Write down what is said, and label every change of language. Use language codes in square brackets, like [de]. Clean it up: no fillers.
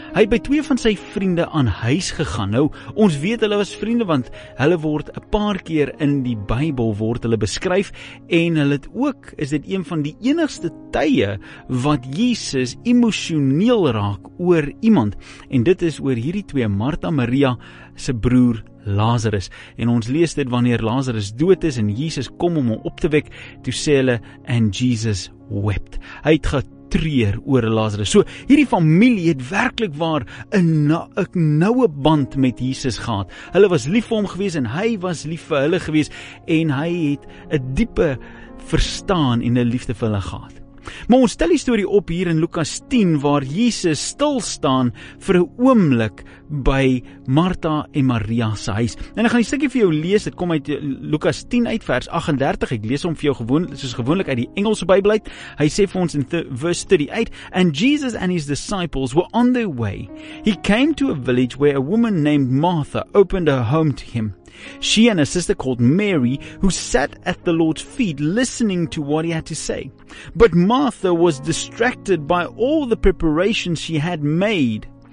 [af] Hy het by 2 van sy vriende aan huis gegaan. Nou, ons weet hulle was vriende, want hulle word 'n paar keer in die Bybel word hulle beskryf, en hulle het ook, is dit een van die enigste tye wat Jesus emosioneel raak oor iemand, en dit is oor hierdie 2, Martha, Maria se broer Lazarus. En ons lees dit wanneer Lazarus dood is en Jesus kom om hom op te wek, toe sê hulle, [en] and Jesus wept. [af] Hy het treur oor Lazarus. So, hierdie familie het werkelijk waar een nauwe band met Jesus gehad. Hulle was lief vir hom gewees en hy was lief vir hulle gewees en hy het 'n diepe verstaan en 'n liefde vir hulle gehad. Maar ons tel die story op hier in Lukas 10 waar Jesus stilstaan vir 'n oomblik by Martha en Maria se huis. En ek gaan die stukkie vir jou lees, dit kom uit Lukas 10 uit vers 38, ek lees hom vir jou soos gewoonlik uit die Engelse Bybel uit. Hy sê vir ons in verse 38, [en] and Jesus and his disciples were on their way. He came to a village where a woman named Martha opened her home to him. She and her sister called Mary, who sat at the Lord's feet listening to what he had to say. But Martha was distracted by all the preparations she had made.